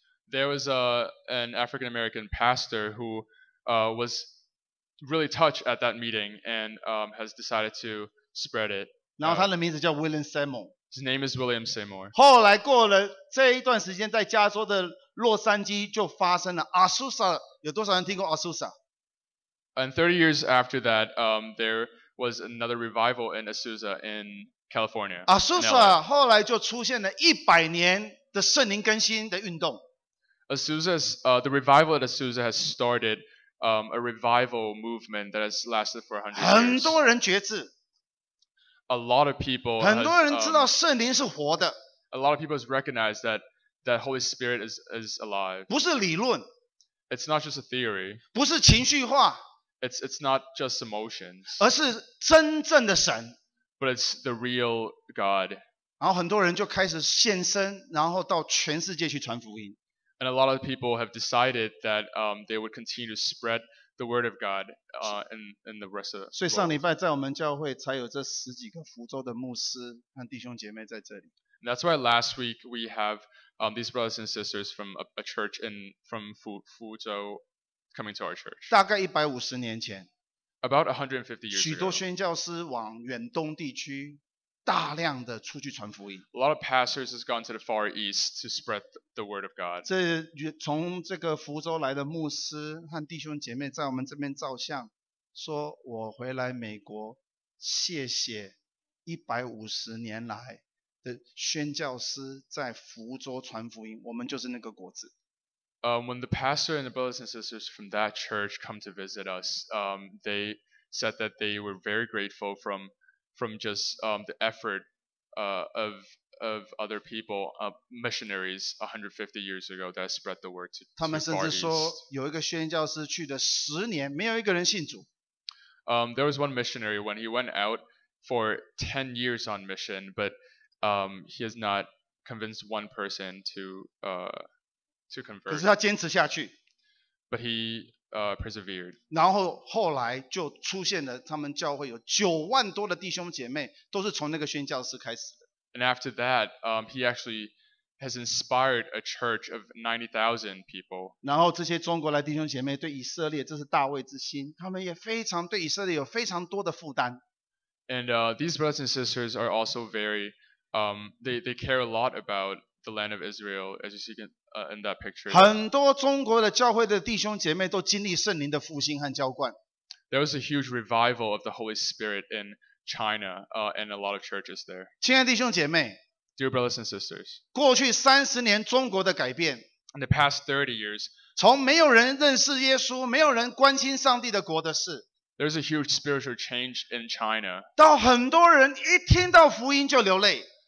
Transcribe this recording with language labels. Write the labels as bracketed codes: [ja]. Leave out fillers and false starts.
[en] There was an African American pastor who was really touched at that meeting and has decided to spread it. [zh] 然后他的名字叫 William Seymour. [en] His name is William Seymour. [zh] 后来过了这一段时间，在加州的洛杉矶就发生了 Azusa。有多少人听过 Azusa？ [en] And 30 years after that, there was another revival in Azusa in. California. [zh] Azusa 后来就出现了一百年的圣灵更新的运动。 [en] Azusa's the revival at Azusa has started a revival movement that has lasted for 100 years. [zh] 很多人觉知。 [en] A lot of people. [zh] 很多人知道圣灵是活的。 [en] A lot of people has recognized that that Holy Spirit is alive. [zh] 不是理论。 [en] It's not just a theory. [zh] 不是情绪化。 [en] It's not just emotions. [zh] 而是真正的神。 [en] But it's the real God. [zh] 然后很多人就开始献身，然后到全世界去传福音。 [en] And a lot of people have decided that they would continue to spread the word of God in the rest of the world. [zh] 所以上礼拜在我们教会才有这十几个福州的牧师和弟兄姐妹在这里。 [en] That's why last week we have these brothers and sisters from a church in from Fuzhou coming to our church. [zh] 大概150年前。 [en] About 150 years ago. [zh] 许多宣教师往远东地区大量的出去传福音。 [en] A lot of pastors has gone to the far east to spread the word of God. [zh] 这从这个福州来的牧师和弟兄姐妹在我们这边照相，说我回来美国，谢谢150年来。的宣教师在福州传福音，我们就是那个果子。 [en] When the pastor and the brothers and sisters from that church come to visit us, they said that they were very grateful from just the effort of other people, missionaries 150 years ago that spread the word to. [zh] 他们甚至说，有一个宣教师去的十年，没有一个人信主。 [en] There was one missionary when he went out for 10 years on mission, but he has not convinced one person to convert. [zh] 可是他坚持下去。 [en] But he persevered. [zh] 然后后来就出现了，他们教会有九万多的弟兄姐妹，都是从那个宣教师开始的。 [en] And after that, he actually has inspired a church of 90,000 people. [zh] 然后这些中国来弟兄姐妹对以色列，这是大卫之心，他们也非常对以色列有非常多的负担。 [en] And these brothers and sisters are also very they care a lot about the land of Israel, as you see in that picture. [zh] 很多中国的教会的弟兄姐妹都经历圣灵的复兴和浇灌。 [en] There was a huge revival of the Holy Spirit in China, and a lot of churches there. [zh] 亲爱的弟兄姐妹， [en] Dear brothers and sisters, [zh] 过去三十年中国的改变， [en] In the past 30 years, [zh] 从没有人认识耶稣，没有人关心上帝的国的事。 [en] There's a huge spiritual change in China. [zh] 到很多人一听到福音就流泪。